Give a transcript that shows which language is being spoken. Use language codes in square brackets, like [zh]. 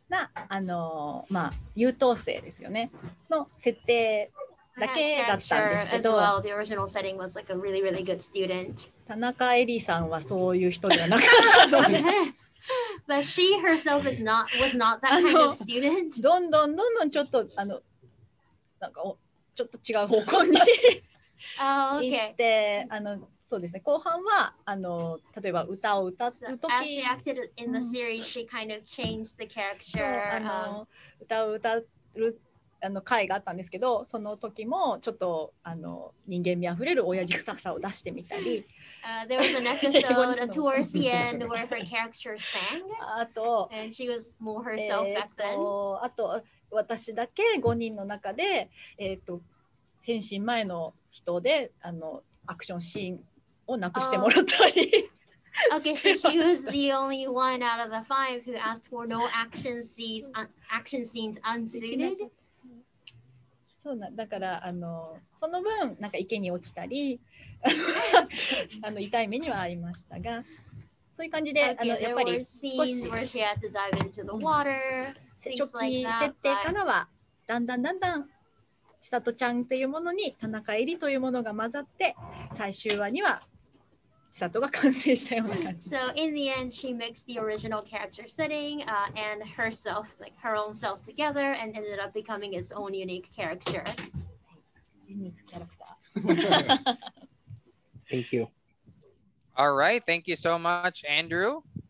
[ja] な優等生ですよね、の設定。だけだったんですけど、 [en] well. The original setting was like a really, really good student. [ja] 田中エリさんはそういう人ではなかったので。 [en] But she herself is not, was not that kind of student. [ja] どんどんどんどんちょっとなんかちょっと違う方向に行って、そうですね、後半は例えば歌を歌うとき、 [en] As she acted in the series, she kind of changed the character. [ja] 歌を歌う会があったんですけど、その時もちょっと人間味あふれる親父臭さを出してみたり。 [en] There was an episode towards the end where her character sang. And she was more herself back then. [ja] あと私だけ5人の中で、変身前の人でアクションシーンをなくしてもらったり。 [en] Okay, so she was the only one out of the five who asked for no action scenes unsuited. [ja] そうな、だから、あの、その分、なんか池に落ちたり、あの、痛い目にはありましたが、そういう感じで、 [en] okay, [ja] あの、やっぱり、少し、 [en] where she had to dive into the water, things like that, [ja] 初期設定からは、だんだんだんだん、千里ちゃんっていうものに、田中恵里というものが混ざって、最終話には、千里が完成したような感じ。 [en] So, in the end, she mixed the original character setting, and herself, like her own self together, and ended up becoming its own unique character. Unique character. Thank you. All right. Thank you so much, Andrew.